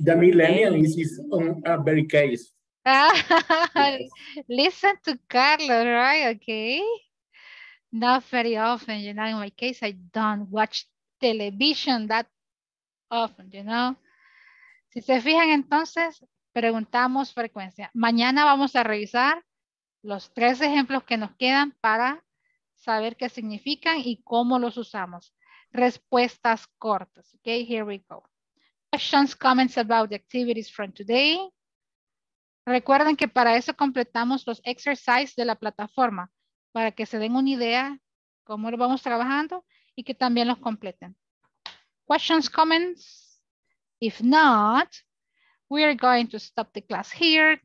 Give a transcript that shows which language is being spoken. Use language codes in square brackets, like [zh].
[en] The millennial is his own very case. Yes. Listen to Carlos, right? Okay. Not very often, you know. In my case, I don't watch television that often, you know. [es] Si se fijan, entonces preguntamos frecuencia. Mañana vamos a revisar los tres ejemplos que nos quedan para saber qué significan y cómo los usamos. Respuestas cortas. [en] Okay, here we go. Questions, comments about the activities from today. [es] Recuerden que para eso completamos los exercises de la plataforma, para que se den una idea cómo lo vamos trabajando y que también los completen. [en] Questions, comments? If not, we are going to stop the class here.